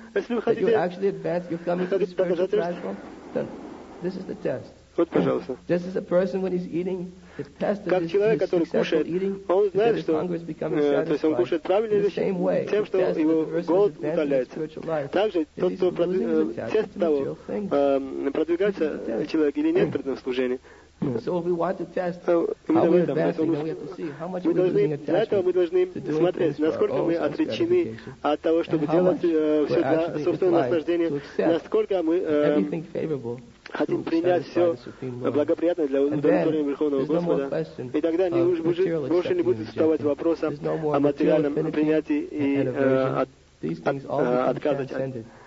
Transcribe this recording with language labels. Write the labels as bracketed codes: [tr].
[ru] Если вы хотите вот, пожалуйста. [en] Just as a person when he's eating, the test of [ru] как человек, который кушает, [en] eating, [ru] он знает, что то есть он кушает правильные вещи, тем, что его голод удаляется. Также тот, кто тест того, продвигается человек или нет в этом служении. [en] So if we want to test how we're advancing, then we have to see how much we're losing attachment. [ru] Для этого мы должны смотреть, насколько мы отречены от того, чтобы делать все для собственного наслаждения, насколько мы хотим принять все благоприятное для удовлетворения Верховного Господа. И тогда больше не будет вставать вопроса о материальном принятии и отказать.